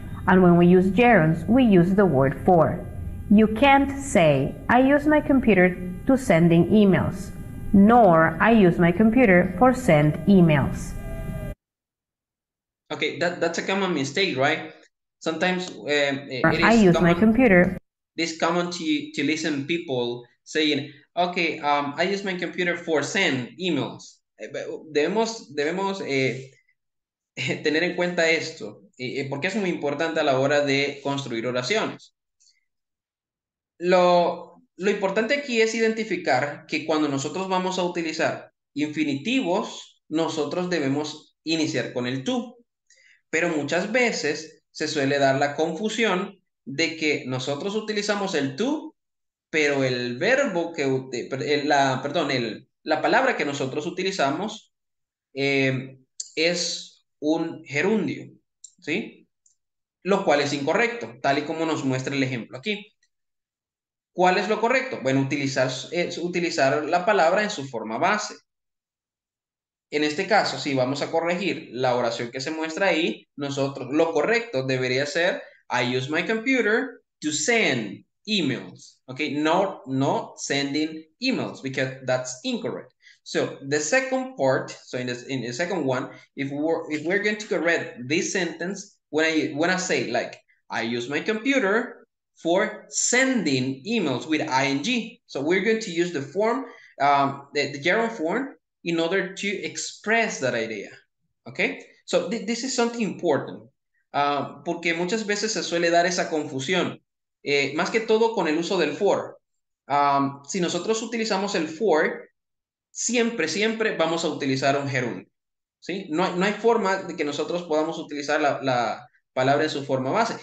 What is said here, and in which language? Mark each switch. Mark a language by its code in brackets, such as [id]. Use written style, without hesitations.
[en] And when we use gerunds, we use the word for. You can't say, I use my computer to sending emails, nor I use my computer for send emails. Okay, that's a common mistake, right? Sometimes I use my computer. It's common to listen people saying, okay, I use my computer for send emails. [es] Debemos tener en cuenta esto, porque es muy importante a la hora de construir oraciones. Lo importante aquí es identificar que cuando nosotros vamos a utilizar infinitivos, nosotros debemos iniciar con el tú. Pero muchas veces se suele dar la confusión de que nosotros utilizamos el tú, pero el verbo perdón, la palabra que nosotros utilizamos es un gerundio, ¿sí? Lo cual es incorrecto, tal y como nos muestra el ejemplo aquí. ¿Cuál es lo correcto? Bueno, utilizar la palabra en su forma base. En este caso, si vamos a corregir la oración que se muestra ahí, nosotros lo correcto debería ser [en] I use my computer to send emails. Okay? No, no sending emails, because that's incorrect. So, the second part, so in the second one, if we're going to correct this sentence, when I say like I use my computer for sending emails with ing. So we're going to use the form, the gerund form in order to express that idea. Okay? So this is something important. [es] Porque muchas veces se suele dar esa confusión. Más que todo con el uso del for. Si nosotros utilizamos el for, siempre, siempre vamos a utilizar un gerundio. ¿Sí? No hay forma de que nosotros podamos utilizar la palabra en su forma base.